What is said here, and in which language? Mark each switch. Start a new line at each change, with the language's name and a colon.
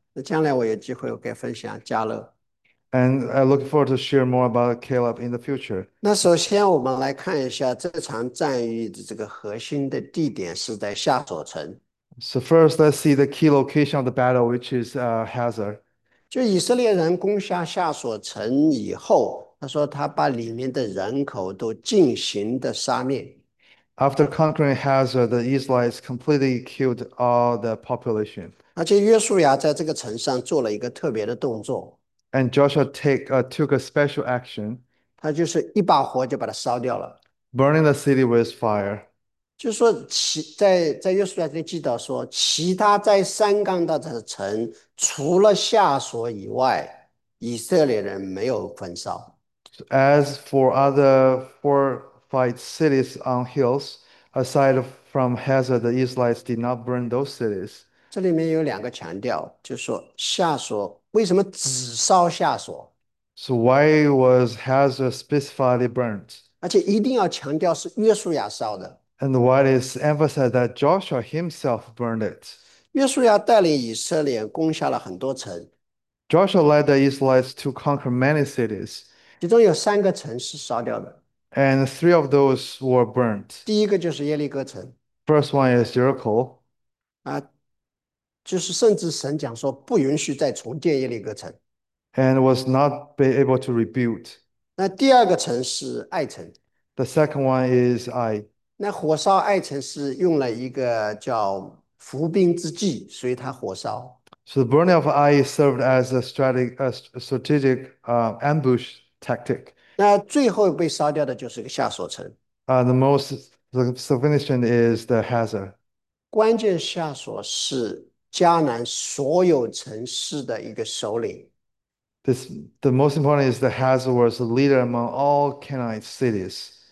Chinese: 那将来我有机会我可以分享加勒。
English: And I look forward to share more about Caleb in the future.
Chinese: 那首先我们来看一下这场战役的这个核心的地点是在下索城。
English: So first, let's see the key location of the battle, which is Hazor.
Chinese: 就以色列人攻下下所城以后，他说他把里面的人口都进行的杀灭。
English: After conquering Hazor, the Israelites completely killed all the population.
Chinese: 而且约书亚在这个城上做了一个特别的动作，
English: And Joshua took a special action,
Chinese: 他就是一把火就把它烧掉了。
English: burning the city with fire.
Chinese: 就说其在约书亚这里记到说，其他在山冈的城，除了下所以外，以色列人没有焚烧。
English: As for other fortified cities on hills, aside from Hazor, the Israelites did not burn those cities.
Chinese: 这里面有两个强调，就说下所为什么只烧下所？
English: So why was Hazor specifically burnt?
Chinese: 而且一定要强调是约书亚烧的。
English: And why is emphasized that Joshua himself burned it?
Chinese: 约书亚带领以色列攻下了很多城，
English: Joshua led the Israelites to conquer many cities.
Chinese: 其中有三个城是烧掉的。
English: And three of those were burnt.
Chinese: 第一个就是耶利哥城，
English: First one is Jericho.
Chinese: 就是甚至神讲说不允许再重建耶利哥城。
English: And was not be able to rebuild.
Chinese: 那第二个城是爱城。
English: The second one is I.
Chinese: 那火烧爱城是用了一个叫伏兵之计，所以他火烧。
English: So the burning of I served as a strategic ambush tactic.
Chinese: 那最后被烧掉的就是个下索城。
English: The most significant is the Hazor.
Chinese: 关键下索是迦南所有城市的一个首领。
English: The most important is that Hazor was the leader among all Canaanite cities.